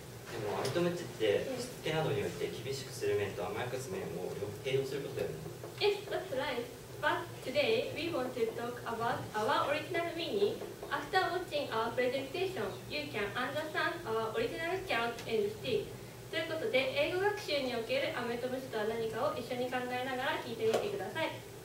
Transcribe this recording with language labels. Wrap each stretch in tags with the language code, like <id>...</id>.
<ja>でもアメトムチってしつけなどによって厳しくする面と甘やかす面を併用することだよね。</ja> <en>Yes, that's right. But today we want to talk about our original meaning. After watching our presentation, you can understand our original carrot and stick.</en> <ja>ということで、英語学習におけるアメトムチとは何かを一緒に考えながら聞いてみてください。</ja>